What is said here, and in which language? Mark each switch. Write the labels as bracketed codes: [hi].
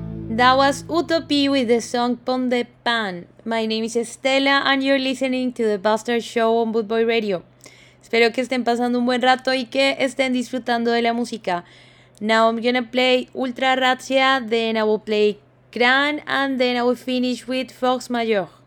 [en] That was Utopie with the song Pon de Pan. My name is Stella and you're listening to the Bastard Show on Boot Boy Radio. [es] Espero que estén pasando un buen rato y que estén disfrutando de la música. [en] Now I'm gonna play Ultra Razzia, then I will play Gran, and then I will finish with Fox Major.